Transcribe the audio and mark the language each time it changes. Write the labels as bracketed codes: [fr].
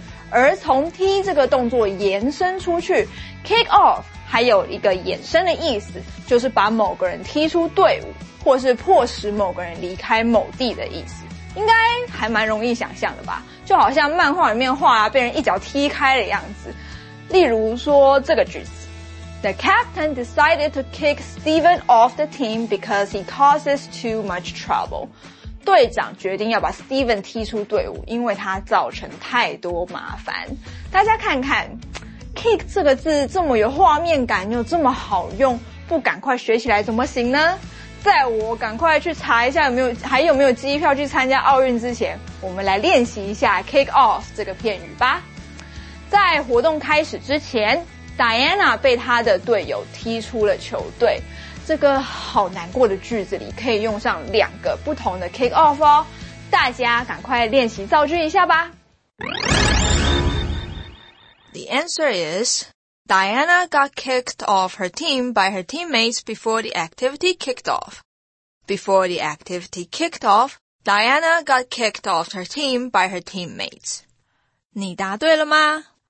[zh] 而从踢这个动作延伸出去， kick off 还有一个衍生的意思，就是把某个人踢出队伍，或是迫使某个人离开某地的意思。应该还蛮容易想象的吧，就好像漫画里面画啊，被人一脚踢开的样子。例如说这个句子， [en] The captain decided to kick Steven off the team because he causes too much trouble. [zh] 队长决定要把 Steven 踢出队伍，因为他造成太多麻烦。大家看看 kick 这个字这么有画面感又这么好用，不赶快学起来怎么行呢？在我赶快去查一下还有没有机票去参加奥运之前，我们来练习一下 kick off 这个片语吧。在活动开始之前，Diana 被她的队友踢出了球队。这个好难过的句子里可以用上两个不同的 kick off 哦，大家赶快练习造句一下吧。 [en] The answer is Diana got kicked off her team by her teammates before the activity kicked off. Before the activity kicked off, Diana got kicked off her team by her teammates. [zh] 你答对了吗？